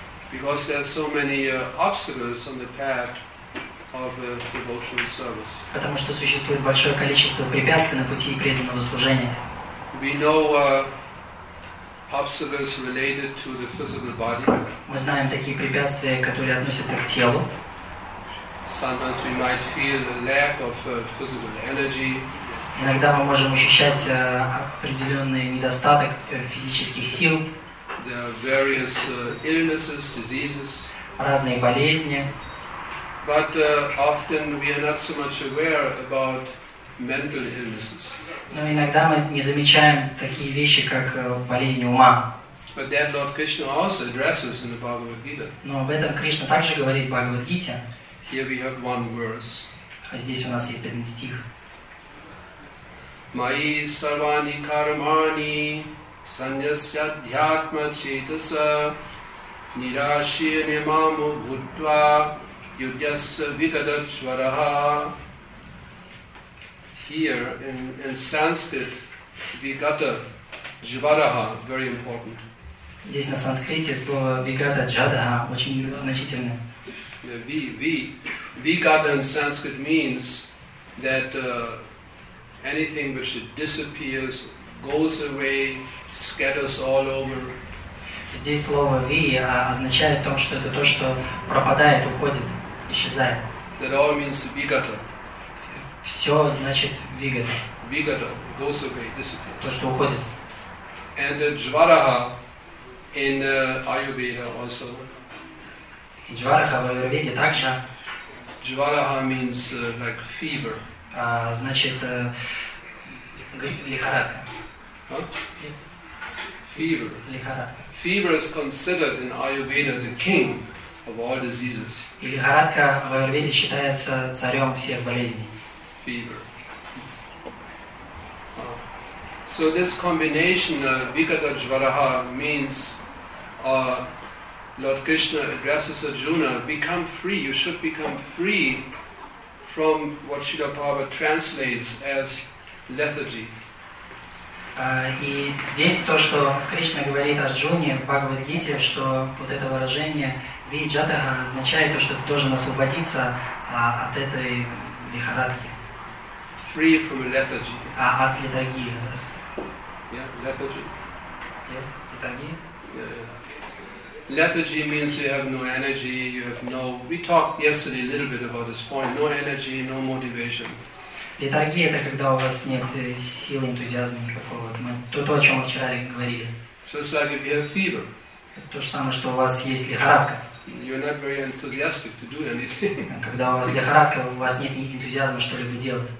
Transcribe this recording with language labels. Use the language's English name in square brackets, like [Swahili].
[English] Because there are so many obstacles on the path of a devotional service. [Russian] Потому что существует большое количество препятствий на пути преданного служения. [English] We know obstacles related to the physical body. [Russian] Мы знаем такие препятствия, которые относятся к телу. [English] Sometimes we might feel a lack of physical energy. [Russian] Иногда мы можем ощущать определенный недостаток физических сил. [English] There are various illnesses, diseases. [Russian] Разные болезни. [English] But often we are not so much aware about mental illnesses. [Russian] Но иногда мы не замечаем такие вещи, как болезни ума. [English] But then Lord Krishna also addresses in the Bhagavad Gita. [Russian] Но об этом Кришна также говорит в Бхагавад Гите. [English] Here we have one verse. [Russian] А здесь у нас есть один стих. [Sanskrit] Mayi sarvani karmani sanyasya dhyatma chetasa nirashyane mamu bhutva yudyasya vikadachvaraha. [English] Here in Sanskrit, vikata jvaraha, very important. [Russian] Здесь на санскрите слово vikata jvaraha очень значительное. [English] Vikata in Sanskrit means that anything which disappears, goes away, scatters all over. [Russian] Здесь слово ви означает то, что это то, что пропадает, уходит, исчезает. [English] That all means vigata. [Russian] Все значит vigata. [English] Vigata, goes away, disappears. [Russian] То, что уходит. [English] And jvaraha in Ayurveda also. [Russian] Jvaraha в Аюрведе также. [English] Jvaraha means like fever. [Russian] Значит, лихорадка. [English] Fever. [Russian] Лихорадка. [English] Fever is considered in Ayurveda the king of all diseases. [Russian] И лихорадка в Аюрведе считается царем всех болезней. [English] Fever. So this combination, Vikata Jvaraha, means Lord Krishna addresses Arjuna, become free, you should become free from what Srila Prabhupada translates as lethargy. [Russian] И здесь то, что Кришна говорит Арджуне в Бхагавад-гите, что вот это выражение «ви-джатаха» означает то, что ты должен освободиться от этой лихорадки. [English] Free from lethargy. [Russian] От летаргии. [English] Yeah, lethargy. [Russian] Yes, летаргии. [English] Lethargy means you have no energy, you have no... We talked yesterday a little bit about this point. No energy, no motivation. [Russian] Летаргия — это когда у вас нет сил, энтузиазма никакого. То, о чем мы вчера говорили. [English] Just like if you have fever. [Russian] То же самое, что у вас есть лихорадка. [English] You're not very enthusiastic to do anything. [Russian] Когда у вас лихорадка, у вас нет энтузиазма что-либо делать.